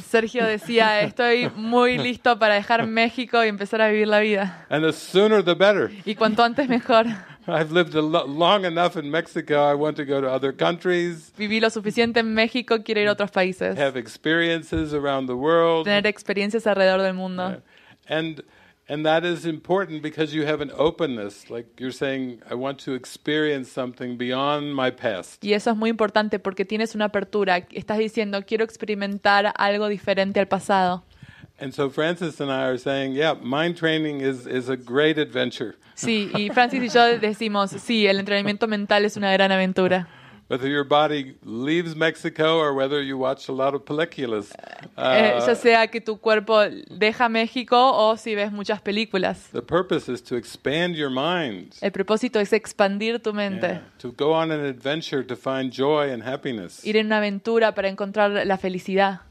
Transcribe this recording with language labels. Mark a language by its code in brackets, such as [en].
[es] Sergio decía, "Estoy muy listo para dejar México y empezar a vivir la vida." [en] And the sooner the better. [es] Y cuanto antes mejor. [en] I've lived long enough in Mexico. I want to go to other countries. [es] Viví lo suficiente en México, quiero ir a otros países. [en] Have experiences around the world. [es] Tener experiencias alrededor del mundo. [en] And that is important because you have an openness, like you're saying, I want to experience something beyond my past. [es] Y eso es muy importante porque tienes una apertura, estás diciendo quiero experimentar algo diferente al pasado. [en] And so Francis and I are saying, yeah, mind training is a great adventure. [es] Sí, y Francis y yo decimos, sí, el entrenamiento mental es una gran aventura. [en] Whether your body leaves Mexico or whether you watch a lot of películas. [es] Ya sea que tu cuerpo deja México o si ves muchas películas. [en] The purpose is to expand your mind. [es] El propósito es expandir tu mente. [en] Yeah. To go on an adventure to find joy and happiness. [es] Ir en una aventura para encontrar la felicidad.